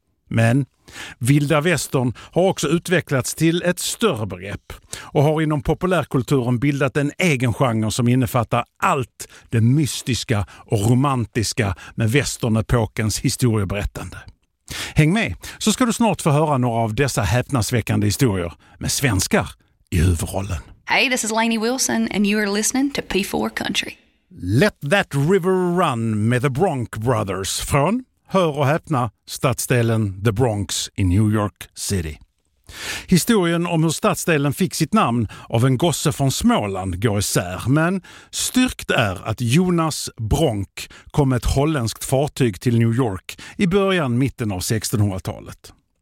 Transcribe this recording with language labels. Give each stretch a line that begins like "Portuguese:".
Swedish: Men vilda västern har också utvecklats till ett större begrepp och har inom populärkulturen bildat en egen genre som innefattar allt det mystiska och romantiska med västernepokens historieberättande. Häng med så ska du snart få höra några av dessa häpnadsväckande historier med svenskar i huvudrollen.
English: Hey, this is Lainey Wilson and you are listening to P4 Country.
Swedish: Let That River Run med The Bronx Brothers från, hör och häpna, stadsdelen The Bronx i New York City. Historien om hur stadsdelen fick sitt namn av en gosse från Småland går isär, men styrkt är att Jonas Bronk kom med ett holländskt fartyg till New York i början mitten av 1600-talet.